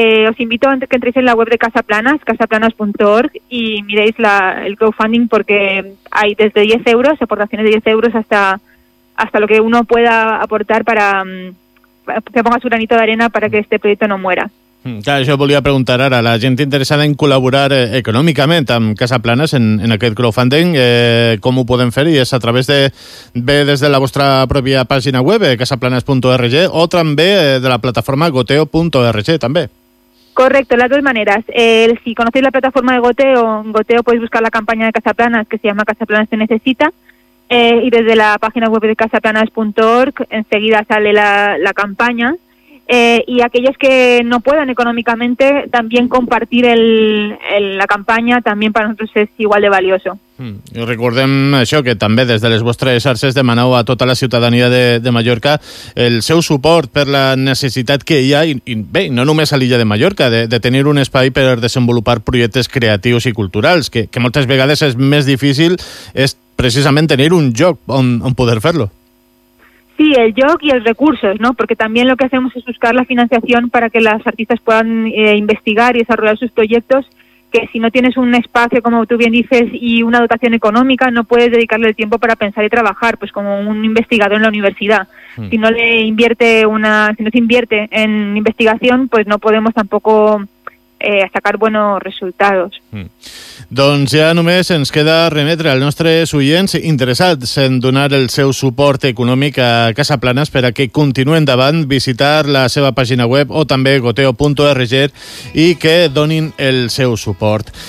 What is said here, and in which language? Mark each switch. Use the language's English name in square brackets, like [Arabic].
[Spanish] Os invito a que entréis en la web de Casaplanas, casaplanas.org, y miréis el crowdfunding, porque hay desde 10 euros, aportaciones de 10 euros hasta lo que uno pueda aportar para que ponga su granito de arena para que este proyecto no muera. [Catalan] Clar, això volia preguntar ara. La gent interessada en col·laborar econòmicament amb Casaplanes en aquest crowdfunding, com ho podem fer? I és a través des de la vostra pròpia pàgina web, casaplanes.org, o també de la plataforma goteo.org, també. [Spanish] Correcto, las dos maneras. Si conocéis la plataforma de Goteo, en Goteo podéis buscar la campaña de Casaplanes, que se llama Casaplanes te necesita. Y desde la página web de casaplanas.org enseguida sale la campaña. Y aquellos que no puedan económicamente, también compartir la campaña también para nosotros es igual de valioso. [Catalan] I recordem això, que també des de les vostres xarxes demaneu a tota la ciutadania de Mallorca el seu suport per la necessitat que hi ha, bé, no només a l'illa de Mallorca, de tenir un espai per desenvolupar projectes creatius i culturals, que moltes vegades és més difícil, és precisament tenir un lloc on poder fer-lo. [Spanish] Sí, el joc y el recursos, ¿no? Porque también lo que hacemos es buscar la financiación para que las artistas puedan investigar y desarrollar sus proyectos, que si no tienes un espacio, como tú bien dices, y una dotación económica, no puedes dedicarle el tiempo para pensar y trabajar, pues como un investigador en la universidad. Si no se invierte en investigación, pues no podemos tampoco a sacar buenos resultados. [Catalan] Doncs ja només ens queda remetre als nostres oients interessats en donar el seu suport econòmic a Casaplanes per a que continuï endavant, visitar la seva pàgina web o també goteo.org i que donin el seu suport.